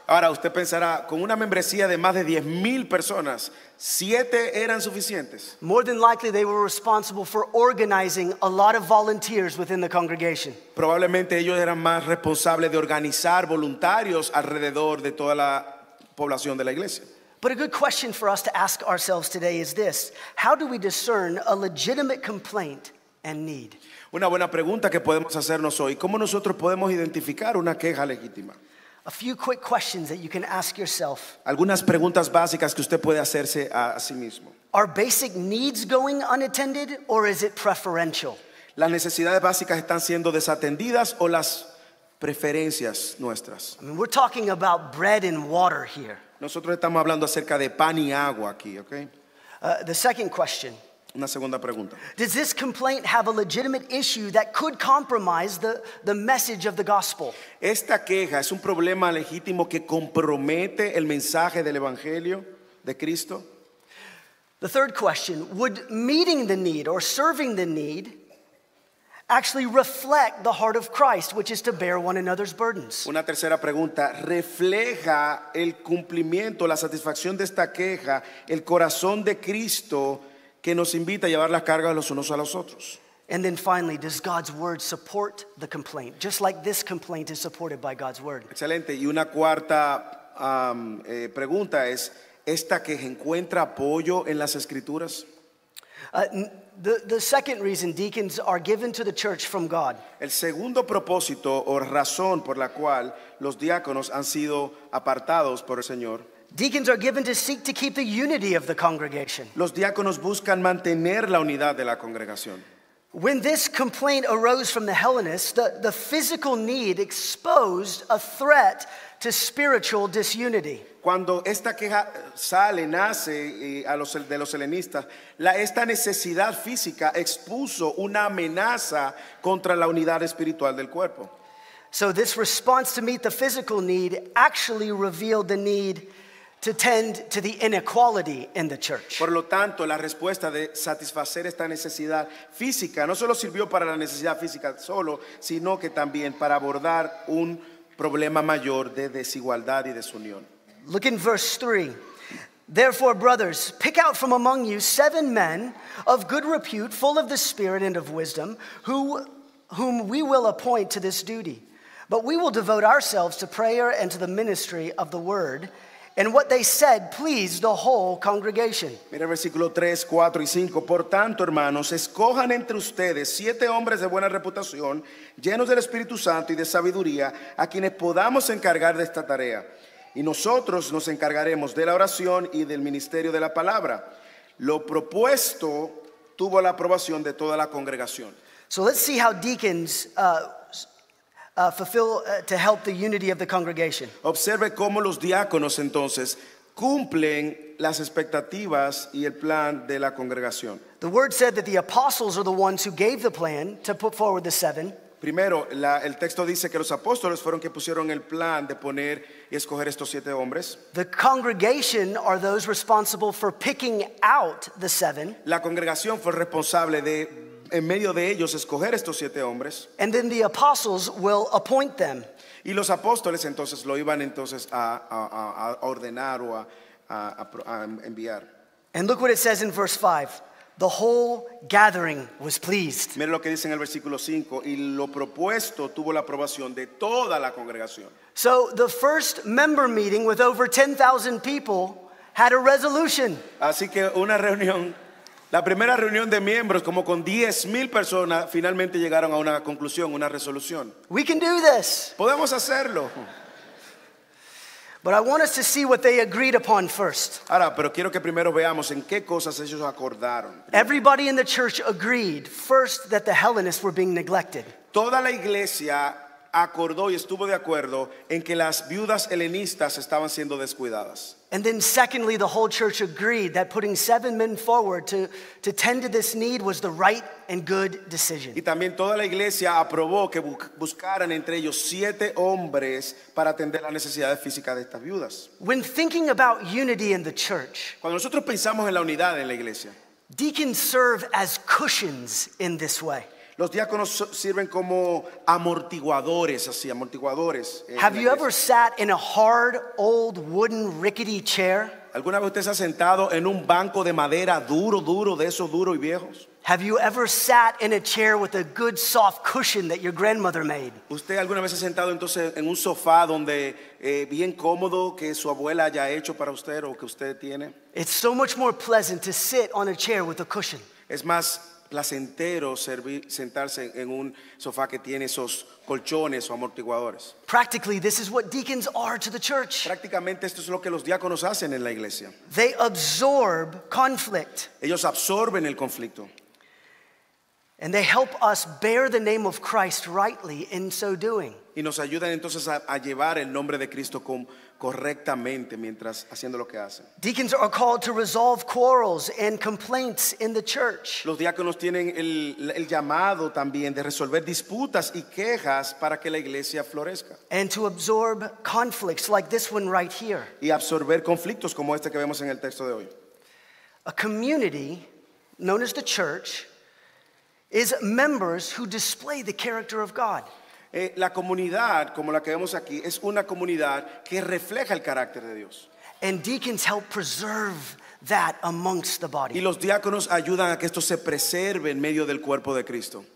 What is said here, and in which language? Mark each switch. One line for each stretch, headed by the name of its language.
Spanish: Ahora usted pensará, con una membresía de más de 10,000 personas, 7 eran suficientes.
English: More than likely, they were responsible for organizing a lot of volunteers within the congregation.
Spanish: Probablemente ellos eran más responsables de organizar voluntarios alrededor de toda la población de la iglesia.
English: But a good question for us to ask ourselves today is this: how do we discern a legitimate complaint and need?
Spanish: Una buena pregunta que podemos hacernos hoy: ¿cómo nosotros podemos identificar una queja legítima?
English: A few quick questions that you can ask yourself.
Spanish: Algunas preguntas básicas que usted puede hacerse a sí mismo.
English: Are basic needs going unattended, or is it preferential?
Spanish: ¿Las necesidades básicas están siendo desatendidas o las preferencias nuestras?
English: I mean, we're talking about bread and water here.
Spanish: Nosotros estamos hablando acerca de pan y agua aquí, ¿okay?
English: The second question.
Spanish: Una segunda pregunta.
English: Does this complaint have a legitimate issue that could compromise the message of the gospel?
Spanish: ¿Esta queja es un problema legítimo que compromete el mensaje del evangelio de Cristo?
English: The third question: would meeting the need or serving the need actually reflect the heart of Christ, which is to bear one another's burdens?
Spanish: Una tercera pregunta: ¿refleja el cumplimiento, la satisfacción de esta queja, el corazón de Cristo, que nos invita a llevar las cargas los unos a los otros?
English: And then finally, does God's word support the complaint, just like this complaint is supported by God's word?
Spanish: Excelente. Y una cuarta pregunta es: ¿esta queja encuentra apoyo en las escrituras?
English: The second reason deacons are given to the church from God.
Spanish: El segundo propósito o razón por la cual los diáconos han sido apartados por el Señor.
English: Deacons are given to seek to keep the unity of the congregation.
Spanish: Los diáconos buscan mantener la unidad de la congregación.
English: When this complaint arose from the Hellenists, the physical need exposed a threat to spiritual disunity.
Spanish: Cuando esta queja sale, nace de los helenistas, esta necesidad física expuso una amenaza contra la unidad espiritual del cuerpo.
English: So this response to meet the physical need actually revealed the need to tend to the inequality in the church.
Spanish: Por lo tanto, la respuesta de satisfacer esta necesidad física no solo sirvió para la necesidad física solo, sino que también para abordar un problema mayor de desigualdad y desunión.
English: Look in verse 3. Therefore, brothers, pick out from among you 7 men of good repute, full of the Spirit and of wisdom, whom we will appoint to this duty. But we will devote ourselves to prayer and to the ministry of the word. And what they said pleased the whole congregation.
Spanish: Mira versículo 3, 4 y 5. Por tanto, hermanos, escojan entre ustedes 7 hombres de buena reputación, llenos del Espíritu Santo y de sabiduría, a quienes podamos encargar de esta tarea. Y nosotros nos encargaremos de la oración y del ministerio de la palabra. Lo propuesto tuvo la aprobación de toda la congregación.
English: So let's see how deacons fulfill to help the unity of the congregation.
Spanish: Observe cómo los diáconos entonces cumplen las expectativas y el plan de la congregación.
English: The word said that the apostles are the ones who gave the plan to put forward the 7.
Spanish: Primero, el texto dice que los apóstoles fueron que pusieron el plan de poner y escoger estos 7 hombres.
English: The congregation are those responsible for picking out the 7.
Spanish: La congregación fue responsable de en medio de ellos escoger estos 7 hombres.
English: And then the apostles will appoint them.
Spanish: Y los apóstoles entonces lo iban entonces a ordenar o a enviar.
English: And look what it says in verse 5. The whole gathering was pleased.
Spanish: Mira lo que dice en el versículo 5. Y lo propuesto tuvo la aprobación de toda la congregación.
English: So the first member meeting with over 10,000 people had a resolution.
Spanish: Así que una reunión, la primera reunión de miembros, como con 10,000 personas, finalmente llegaron a una conclusión, una resolución.
English: We can do this.
Spanish: Podemos hacerlo.
English: But I want us to see what they agreed upon first.
Spanish: Ahora, pero quiero que primero veamos en qué cosas ellos acordaron.
English: Everybody in the church agreed first that the Hellenists were being neglected.
Spanish: Toda la iglesia acordó y estuvo de acuerdo en que las viudas helenistas estaban siendo descuidadas.
English: And then secondly, the whole church agreed that putting seven men forward to tend to this need was the right and good decision.
Spanish: Y también toda la iglesia aprobó que buscaran entre ellos siete hombres para atender las necesidades físicas de estas viudas.
English: When thinking about unity in the church,
Spanish: cuando nosotros pensamos en la unidad en la iglesia,
English: deacons serve as cushions in this way.
Spanish: Los diáconos sirven como amortiguadores, así, amortiguadores.
English: Have you ever sat in a hard, old, wooden, rickety chair?
Spanish: ¿Alguna vez usted se ha sentado en un banco de madera duro, duro, de esos duros y viejos?
English: Have you ever sat in a chair with a good, soft cushion that your grandmother made?
Spanish: ¿Usted alguna vez ha sentado entonces en un sofá donde bien cómodo que su abuela haya hecho para usted o que usted tiene?
English: It's so much more pleasant to sit on a chair with a cushion.
Spanish: Es más placentero sentarse en un sofá que tiene esos colchones o amortiguadores.
English: Practically, this is what deacons are to the church.
Spanish: Prácticamente esto es lo que los diáconos hacen en la iglesia.
English: They absorb conflict.
Spanish: Ellos absorben el conflicto.
English: And they help us bear the name of Christ rightly in so doing.
Spanish: Y nos ayudan entonces a llevar el nombre de Cristo correctamente mientras haciendo lo que hacen.
English: Deacons are called to resolve quarrels and complaints in the church.
Spanish: Los diáconos tienen el llamado también de resolver disputas y quejas para que la iglesia florezca.
English: And to absorb conflicts like this one right here.
Spanish: Y absorber conflictos como este que vemos en el texto de hoy.
English: A community known as the church is members who display the character of God.
Spanish: La comunidad, como la que vemos aquí, es una comunidad que refleja el carácter de Dios.
English: And deacons help preserve that amongst the body.
Spanish: Y los diáconos ayudan a que esto se preserve en medio del cuerpo de Cristo.